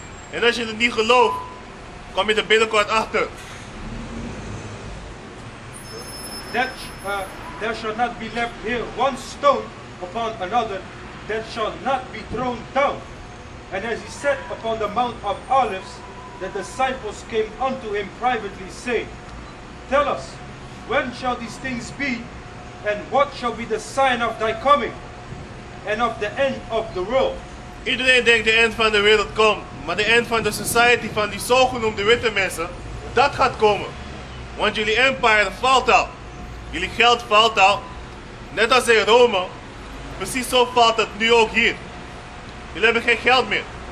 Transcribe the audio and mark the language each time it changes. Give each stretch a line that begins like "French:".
Dutch: En als je het niet gelooft, kom je er binnenkort achter.
English: There shall not be left here one stone upon another that shall not be thrown down. And as he sat upon the Mount of Olives, the disciples came unto him privately, saying, tell us, when shall these things be, and what shall be the sign of thy coming, and of the end of the world?
Dutch: Iedereen denkt de end van de wereld komt, maar de end van de society van die zogenoemde witte mensen, dat gaat komen. Want jullie empire valt al. Jullie geld valt al. Net als in Rome, precies zo valt het nu ook hier. Jullie hebben geen geld meer.